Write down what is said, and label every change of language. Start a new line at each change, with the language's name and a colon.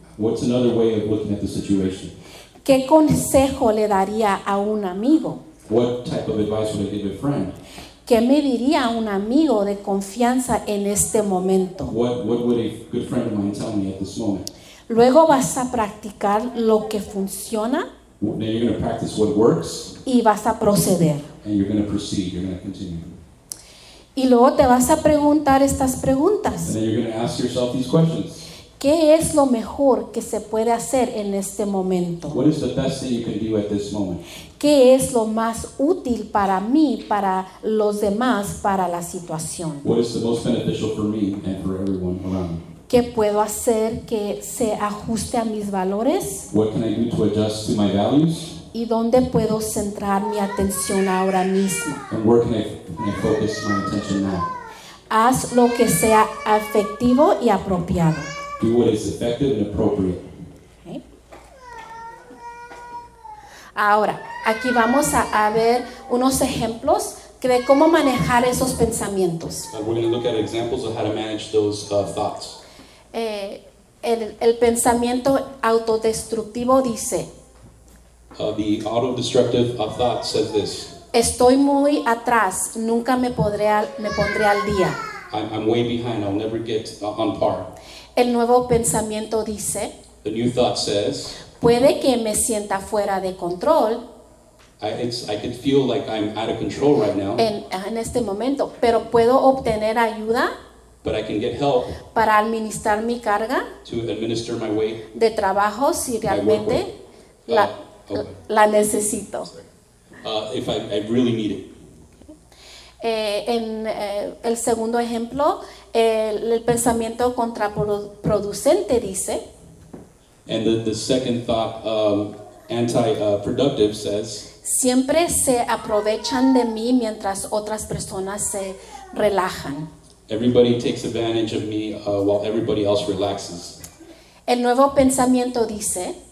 English: What's another way of looking at the situation?
Spanish: ¿Qué consejo le daría a un amigo?
English: What type of advice would I give a friend?
Spanish: ¿Qué me diría un amigo de confianza en este momento?
English: What would a good friend of mine tell me at this moment?
Spanish: Luego vas a practicar lo que funciona.
English: Then you're going to practice what works.
Spanish: Y vas a proceder.
English: And you're going to proceed. You're going to continue.
Spanish: Y luego te vas a preguntar estas preguntas.
English: And then you're going to ask yourself these questions.
Spanish: ¿Qué es lo mejor que se puede hacer en este momento?
English: What is the best thing you can do at this moment?
Spanish: ¿Qué es lo más útil para mí, para los demás, para la situación?
English: What is the most beneficial for me and for everyone around me?
Spanish: ¿Qué puedo hacer que se ajuste a mis valores?
English: What can I do to adjust to my values?
Spanish: ¿Y dónde puedo centrar mi atención ahora mismo?
English: And where can I focus my attention now?
Spanish: Haz lo que sea efectivo y apropiado.
English: Do what is effective and appropriate. Okay.
Spanish: Ahora, aquí vamos a ver unos ejemplos de cómo manejar esos pensamientos.
English: We're going to look at examples of how to manage those thoughts.
Spanish: El pensamiento autodestructivo dice,
English: the autodestructive thought says this:
Spanish: estoy muy atrás, nunca me pondré al día.
English: I'm way behind, I'll never get on par.
Spanish: El nuevo pensamiento dice,
English: the new thought says,
Spanish: puede que me sienta fuera de control.
English: I could feel like I'm out of control right now.
Spanish: En este momento, pero puedo obtener ayuda.
English: But I can get help
Spanish: para administrar mi carga
English: to administer my weight,
Spanish: de trabajo si realmente la necesito.
English: If I really need it.
Spanish: En el segundo ejemplo, el pensamiento contraproducente dice.
English: And the second thought, anti-productive says.
Spanish: Siempre se aprovechan de mí mientras otras personas se relajan.
English: Everybody takes advantage of me while everybody else relaxes.
Spanish: El nuevo pensamiento dice,